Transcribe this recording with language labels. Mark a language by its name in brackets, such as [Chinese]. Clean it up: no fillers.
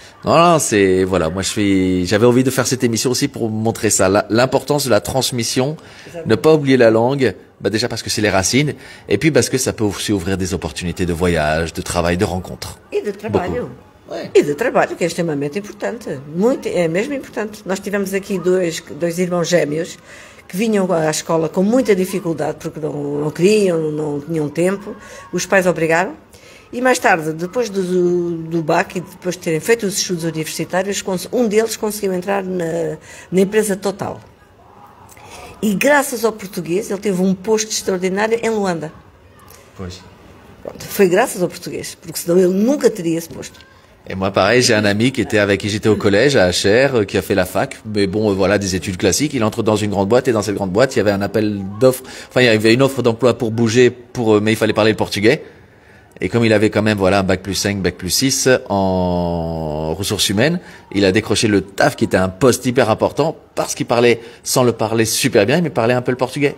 [French] Non, c'est voilà. Moi, j'avais envie de faire cette émission aussi pour montrer ça, l'importance de la transmission, ne pas oublier la langue. Bah déjà parce que c'est les racines, et puis parce que ça peut aussi ouvrir des opportunités de voyage, de travail, de rencontres. Et de travail. Beaucoup. Ouais. Et de travail, qui est extrêmement important. [Portuguese] Muito, é mesmo importante. Nós tivemos aqui dois irmãos gêmeos que vinham à escola com muita dificuldade porque não queriam, não tinham tempo. Os pais obrigaram. E mais tarde, depois do BAC e depois de terem feito os estudos universitários, um deles conseguiu entrar na empresa Total. E graças ao português, ele teve um posto extraordinário em Luanda. Pois. Pronto, foi graças ao português, porque senão ele nunca teria esse posto. [French] Et moi, pareil, j'ai un ami qui était avec qui j'étais au collège, à HR, qui a fait la fac. Mais bon, voilà, des études classiques. Il entre dans une grande boîte et dans cette grande boîte, il y avait un appel d'offres. Enfin, il y avait une offre d'emploi pour bouger, mais il fallait parler le portugais. Et comme il avait quand même voilà un bac plus 5, bac plus 6 en ressources humaines, il a décroché le taf qui était un poste hyper important parce qu'il parlait, sans le parler super bien, mais il parlait un peu le portugais.